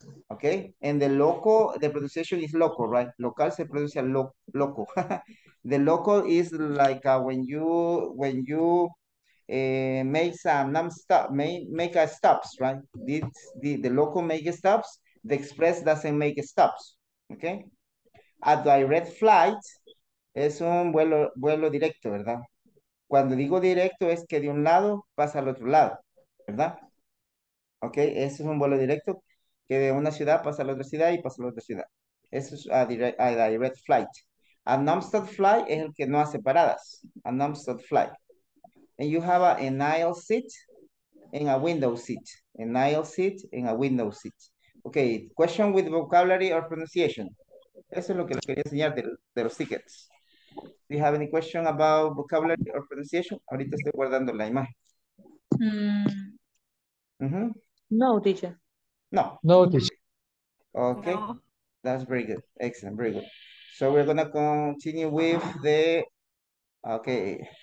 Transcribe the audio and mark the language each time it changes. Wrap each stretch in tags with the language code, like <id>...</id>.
<en>Okay, and the local, the pronunciation is local, right?</en> <es>Local se pronuncia loco.</es> <en>The local is like when you make stops, right? The local make stops, the express doesn't make stops, okay? A direct flight</en> <es>es un vuelo directo, ¿verdad? Cuando digo directo es que de un lado pasa al otro lado, ¿verdad? Okay, ese es un vuelo directo que de una ciudad pasa a la otra ciudad y pasa a la otra ciudad. Eso es</es> <en>a direct flight. A non-stop flight</en> <es>es el que no hace paradas.</es> <en>A non-stop flight. And you have an aisle seat and a window seat. An aisle seat and a window seat. Okay, question with vocabulary or pronunciation.</en> <es>Eso es lo que les quería enseñar de los tickets.</es> <en>Do you have any question about vocabulary or pronunciation?</en> <es>Ahorita estoy guardando la imagen.</es> <en>No, teacher. No. No, teacher. Okay. No. That's very good. Excellent. Very good. So we're going to continue with the... Okay.</en>